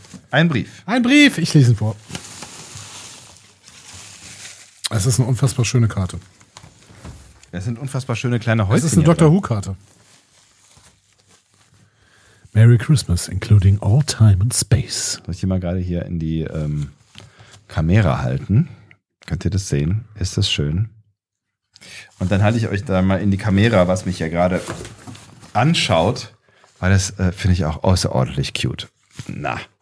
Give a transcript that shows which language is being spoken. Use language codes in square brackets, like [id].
[de] Ein Brief. Ein Brief, ich lese ihn vor. Es ist eine unfassbar schöne Karte. Es sind unfassbar schöne kleine Häuschen. Es ist eine Doctor Who Karte. [en] Merry Christmas, including all time and space. [de] Soll ich die mal gerade hier in die Kamera halten? Könnt ihr das sehen? Ist das schön? Und dann halte ich euch da mal in die Kamera, was mich ja gerade anschaut, weil das finde ich auch außerordentlich cute. Na.